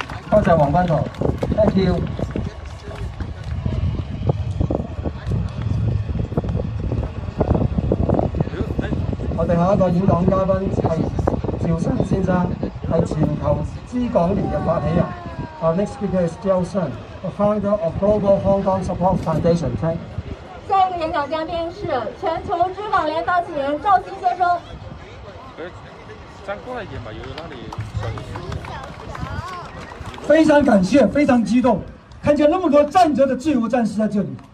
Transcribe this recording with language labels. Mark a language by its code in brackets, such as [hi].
[zh] 多谢黄班长。 [en] Thank you. [zh] 我们下一个演讲嘉宾是赵新先生，是全球知港联的发起人。 [en] Our next speaker is Joe Sun, the founder of Global Hong Kong Support Foundation. [zh] 下一个演讲嘉宾是全球知港联发起人赵新先生。张过来一点吧，有那里小心。非常感谢，非常激动，看见那么多站着的自由战士在这里。